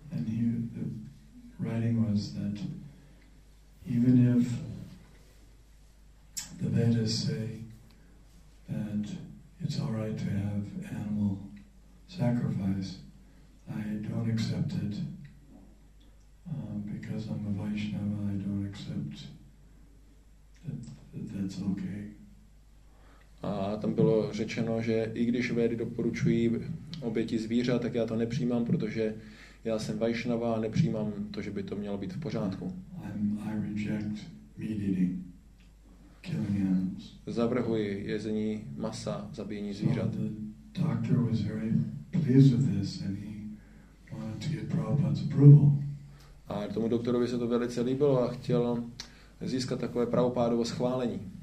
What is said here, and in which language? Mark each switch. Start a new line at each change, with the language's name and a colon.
English: And he, the writing was that even if the Vedas say that it's all right to have animal sacrifice, I don't accept it. Because I'm a Vaishnava, I don't accept that that's okay.
Czech: A tam bylo řečeno, že i když Védy doporučují oběti zvířat, tak já to nepřijímám, protože já jsem Vaishnava a nepřijímám to, že by to mělo být v pořádku.
English: I reject meat eating, killing animals.
Czech: Zavrhuji jezení masa, zabíjení zvířat.
English: So the doctor was very pleased with this and he wanted to get Prabhupada's approval.
Czech: A tomu doktorovi se to velice líbilo a chtěl získat takové Prabhupádovo schválení.